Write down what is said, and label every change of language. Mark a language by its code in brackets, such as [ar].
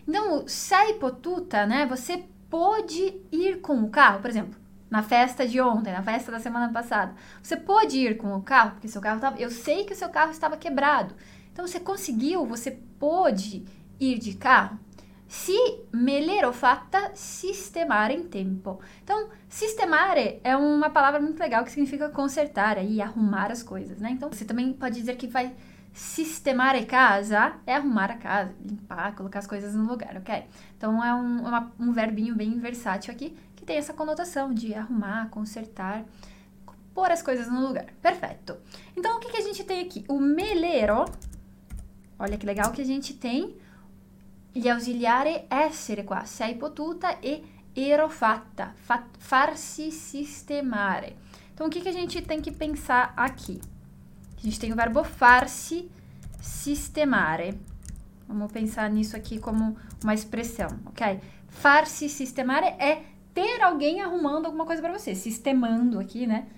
[pt] Então, [it] sei potuta, [pt] né, você pode ir com o carro, por exemplo, na festa de ontem, na festa da semana passada. Você pode ir com o carro, porque seu carro tava, eu sei que o seu carro estava quebrado. Então, você conseguiu, você pôde ir de carro? [it] Si me l'ero fatta sistemare in tempo. [pt] Então, sistemare é uma palavra muito legal que significa consertar e arrumar as coisas, né? Então, você também pode dizer que vai sistemare casa, é arrumar a casa, limpar, colocar as coisas no lugar, ok? Então, é um verbinho bem versátil aqui, que tem essa conotação de arrumar, consertar, pôr as coisas no lugar. Perfeito. Então, o que que a gente tem aqui? O me l'ero. Olha que legal que a gente tem gli ausiliare essere qua, [it] sei potuta e ero fatta, farsi sistemare. [pt] Então, o que a gente tem que pensar aqui? A gente tem o verbo farsi sistemare. Vamos pensar nisso aqui como uma expressão, ok? Farsi sistemare é ter alguém arrumando alguma coisa para você, sistemando aqui, né?